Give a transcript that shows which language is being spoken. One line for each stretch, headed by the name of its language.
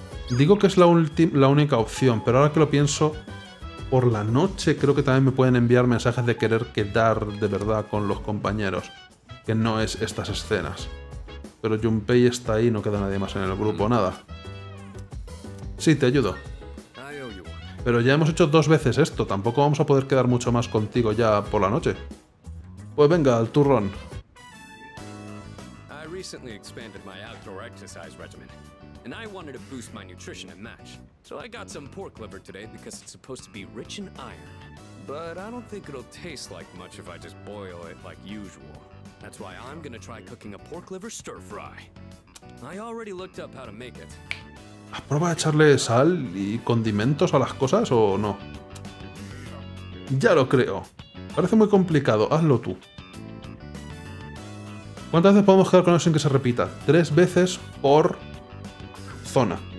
Spanish: Digo que es la única opción, pero ahora que lo pienso, por la noche creo que también me pueden enviar mensajes de querer quedar de verdad con los compañeros. Que no es estas escenas. Pero Junpei está ahí, no queda nadie más en el grupo, nada. Sí, te ayudo. Pero ya hemos hecho dos veces esto, tampoco vamos a poder quedar mucho más contigo ya por la noche. Pues venga, al turrón.
English: I recently expanded my outdoor exercise regimen, and I wanted to boost my nutrition and match. So I got some pork liver today because it's supposed to be rich in iron. But I don't think it'll taste like much if I just boil it like usual. That's why I'm gonna try cooking a pork liver stir fry. I already looked up how to make it.
Spanish: ¿Has probado echarle sal y condimentos a las cosas o no? Ya lo creo. Parece muy complicado. Hazlo tú. ¿Cuántas veces podemos quedar con eso sin que se repita? 3 veces por zona.